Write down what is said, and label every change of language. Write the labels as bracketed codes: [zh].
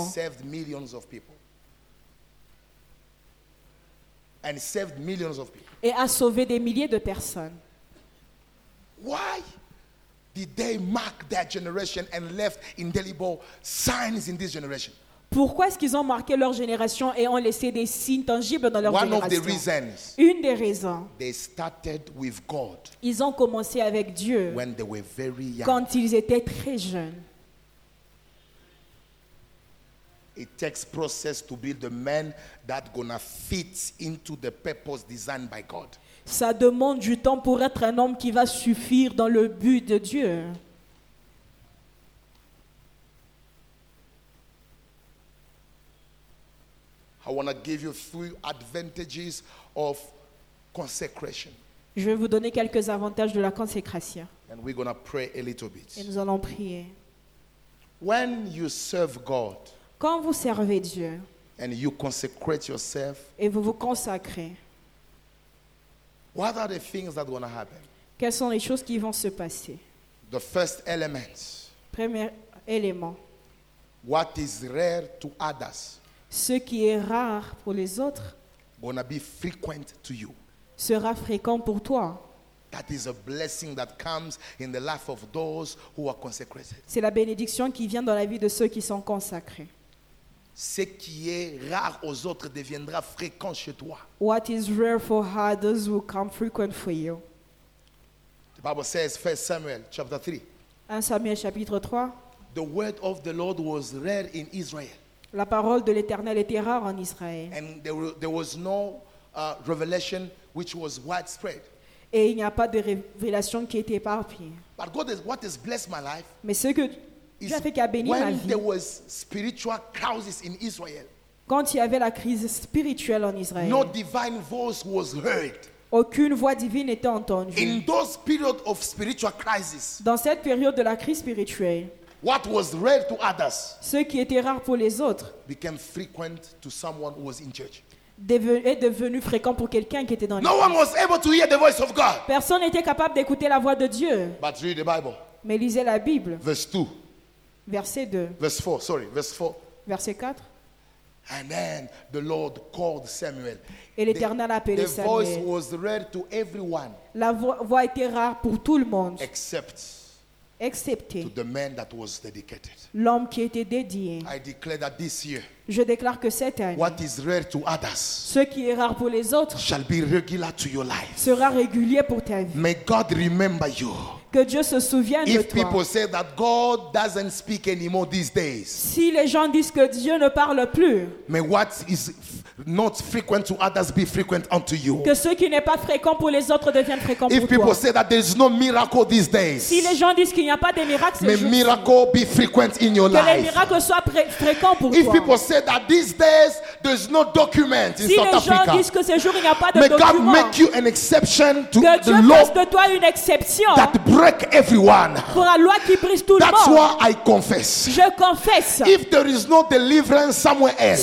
[en] And saved millions of people. And saved millions of people. [fr] Et a sauvé des milliers de personnes. [en] Why did they mark that generation and left indelible signs in this generation? [fr] Pourquoi est-ce qu'ils ont marqué leur génération et ont laissé des signes tangibles dans leur [en] One [fr] génération? [en] Of the reasons, [fr] une des raisons, [en] they started with God [fr] ils ont commencé avec Dieu [en] when they were very young. [fr] Quand ils étaient très jeunes. [en] It takes process to build the man that gonna fit into the purpose designed by God. [fr] Ça demande du temps pour être un homme qui va suffire dans le but de Dieu. [en] I want to give you three advantages of consecration. [fr] Je vais vous donner quelques avantages de la consécration. [en] And we're going to pray a little bit. [fr] Et nous allons prier. [en] When you serve God, [fr] quand vous servez Dieu, [en] and you consecrate yourself, [fr] et vous vous consacrez, [en] what are the things that are going to happen? [fr] Quelles sont les choses qui vont se passer? [en] The first element. [fr] Premier élément. [en] What is rare to others? [fr] Ce qui est rare pour les autres [en] gonna be frequent to you. [fr] Sera fréquent pour toi. [en] That is a blessing that comes in the life of those who are consecrated. [fr] C'est la bénédiction qui vient dans la vie de ceux qui sont consacrés. Ce qui est rare aux autres deviendra fréquent chez toi. [en] What is rare for others will come frequent for you. The Bible says 1 Samuel chapter 3. [fr] 1 Samuel chapitre 3. [en] The word of the Lord was rare in Israel. [fr] La parole de l'Éternel était rare en Israël. [en] And there was no revelation which was widespread. [fr] Et il n'y a pas de révélation qui était éparpillée. [en] But God is, what has blessed my life. [fr] Mais ce que Dieu a fait qui a béni ma vie. [en] When there was spiritual crisis in Israel. [fr] Quand il y avait la crise spirituelle en Israël. [en] No divine voice was heard. [fr] Aucune voix divine n'était entendue. [en] In those period of spiritual crisis. [fr] Dans cette période de la crise spirituelle. [en] What was rare to others, [fr] ce qui était rare pour les autres, [en] became frequent to someone who was in church. [fr] Est devenu fréquent pour quelqu'un qui était dans [en] no [fr] l'église. [en] One was able to hear the voice of God. [fr] Personne n'était capable d'écouter la voix de Dieu. [en] But read the Bible. [fr] Mais lisez la Bible. [en] Verse 2. [fr] Verset 2. [en] Verse 4, sorry, verse 4. [fr] Verset 4. [en] And then the Lord called Samuel. [fr] Et l'Éternel a appelé Samuel. [en] The voice was rare to everyone. [fr] La voix était rare pour tout le monde. [en] Except [fr] excepté [en] to the man that was dedicated. [fr] L'homme qui était dédié. [en] I declare that this year, [fr] je déclare que cette année, [en] what is rare to others, [fr] ce qui est rare pour les autres, [en] shall be regular to your life. [fr] Sera régulier pour ta vie. [en] May God remember you. [fr] Que Dieu se souvienne [en] if [fr] de toi. [en] If people say that God doesn't speak anymore these days, [fr] si les gens disent que Dieu ne parle plus, [en] may what is not frequent to others be frequent unto you. [fr] Que ce qui n'est pas fréquent pour les autres devienne fréquent pour toi. [en] If people say that there is no miracle these days. [fr] Si les gens disent qu'il n'y a pas de miracle ces jours. [en] May miracle be frequent in your life. [fr] Que les miracles soient fréquents pour toi. [en] If people say that these days there is no document in South Africa. [fr] Si les gens disent que ces jours il n'y a pas de [en] document. May God make you an exception to [fr] que [en] the [fr] Dieu [en] law. [fr] Que Dieu fasse de toi une exception. [en] That break everyone. [fr] Pour la loi qui brise tout le monde. [en] That's why I confess. [fr] Je confesse. [en] If there is no deliverance somewhere else.